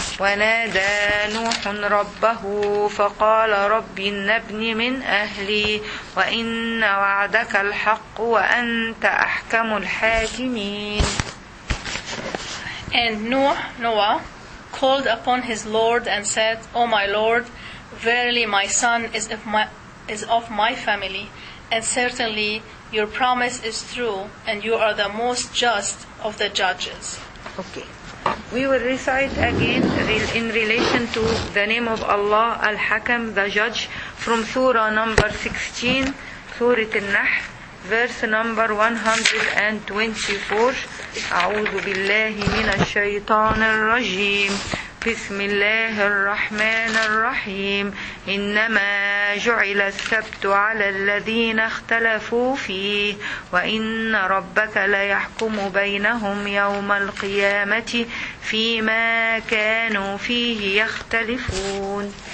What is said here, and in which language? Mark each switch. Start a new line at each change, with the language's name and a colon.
Arabic: ونادى نوح ربه فقال رب إن ابني من أهلي وإن وعدك الحق وأنت أحكم الحاكمين.
English: And Noah called upon his Lord and said, O my Lord, verily my son is of my family, and certainly your promise is true, and you are the most just of the judges. Okay. We will recite again in relation to the name of Allah, Al-Hakam, the judge, from Surah number 16, Surah Al-Nahl. Verse number 124.
Arabic: أعوذ بالله من الشيطان الرجيم. بسم الله الرحمن الرحيم. إنما جعل السبت على الذين اختلفوا فيه. وإن ربك ليحكم بينهم يوم القيامة فيما كانوا فيه يختلفون.